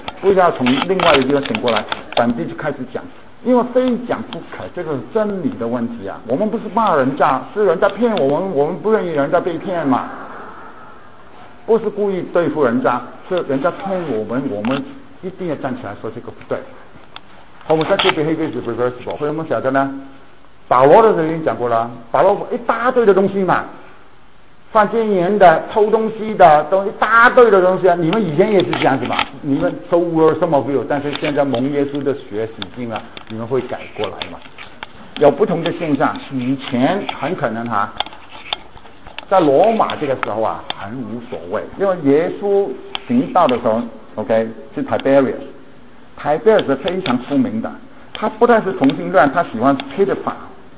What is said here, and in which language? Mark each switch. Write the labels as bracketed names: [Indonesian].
[Chinese] 不要从另外一个地方醒过来，本地就开始讲，因为非讲不可，这个是真理的问题啊。我们不是骂人家，是人家骗我们，我们不愿意人家被骗嘛。不是故意对付人家，是人家骗我们，我们一定要站起来说这个不对。 [English] Homosexual behavior is reversible， [Chinese] 为什么晓得呢？保罗的人已经讲过了，保罗一大堆的东西嘛，犯奸淫的、偷东西的，都一大堆的东西啊！你们以前也是这样子吧？你们 [English] so were some of you， [Chinese] 但是现在蒙耶稣的血洗净了，你们会改过来吗？有不同的现象，以前很可能哈，在罗马这个时候啊，很无所谓，因为耶稣行道的时候 ，OK， 是 Tiberius， Tiberius 是非常出名的，他不但是同性恋，他喜欢 pedophile。